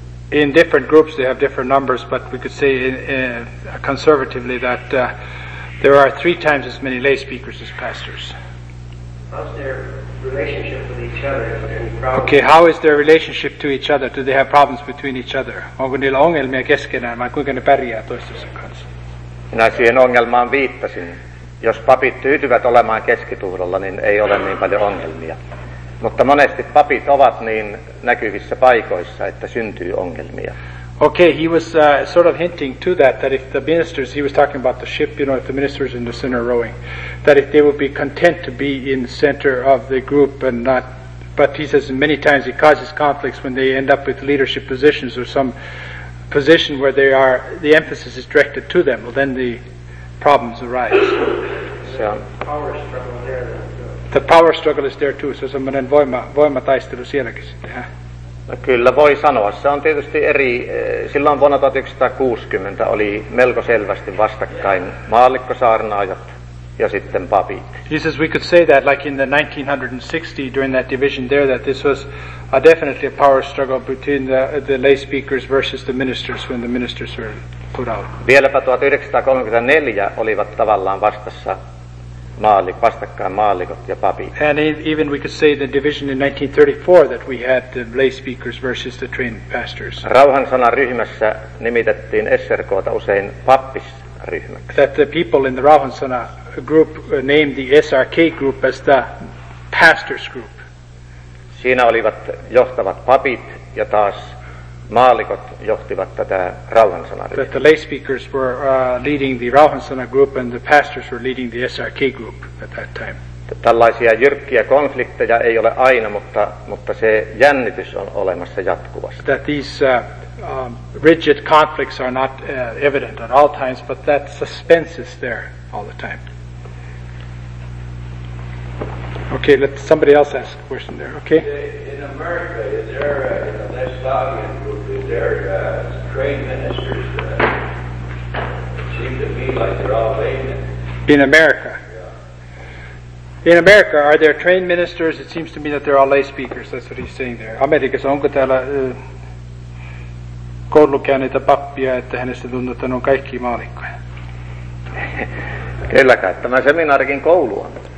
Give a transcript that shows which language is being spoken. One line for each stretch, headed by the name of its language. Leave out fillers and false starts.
English: In different groups they have different numbers, but we could say conservatively that there are three times as many lay speakers as pastors. How's their relationship with each other? Okay, how is their relationship to each other? Do they have problems between each other?
Finnish: Onko niillä ongelmia keskenään, vai kuinka ne pärjää toistensa kanssa? Minä siihen ongelmaan viittasin. Jos papit tyytyvät olemaan keskituudolla, niin ei ole niin paljon ongelmia. Mutta monesti papit ovat niin näkyvissä paikoissa, että syntyy ongelmia.
English: Okay, he was sort of hinting to that if the ministers, he was talking about the ship, you know, if the ministers in the center rowing, that if they would be content to be in the center of the group and not, but he says many times it causes conflicts when they end up with leadership positions or some position where they are, the emphasis is directed to them, well then the problems arise. So, the power struggle there. The power struggle is there too, so
Finnish: semmoinen voimataistelu sielläkin sitten,
English: huh?
Finnish: Kyllä voi sanoa. Se on tietysti eri. Silloin vuonna 1960 oli melko selvästi vastakkain maallikkosaarnaajat ja sitten papit.
English: He says we could say that like in the 1960 during that division there that this was a definitely a power struggle between the lay speakers versus the ministers when the ministers were put out.
Finnish: Vieläpä 1934 olivat tavallaan vastassa. Vastakkain maallikot ja papit.
English: And even we could say the division in 1934 that we had the lay speakers versus the trained pastors.
Finnish: Rauhan sanan ryhmässä nimitettiin SRK:ta usein pappisryhmäksi.
English: That the people in the Rauhan sana group named the SRK group as the pastors group.
Finnish: Siinä olivat johtavat papit ja taas maallikot johtivat tätä Rauhansanaryhmää.
English: That the lay speakers were leading the Rauhansana group and the pastors were leading the SRK group at that time.
Finnish: Tällaisia jyrkkiä konflikteja ei ole aina, mutta se jännitys on olemassa jatkuvasti.
English: That these rigid conflicts are not evident at all times, but that suspense is there all the time. Okay, let somebody else ask a question there, okay? In America, is there a Lestadian group? Is there trained ministers that seem to me like they're all laymen? In America? Yeah. In America, are there trained ministers? It seems to me that they're all lay speakers. That's what he's saying there.
Finnish: Amerikassa onko täällä koulukea niitä pappia, että hänestä tuntuu, että ne on kaikki maalikkoja. Kyllä kai, tämä seminaarikin koulu on.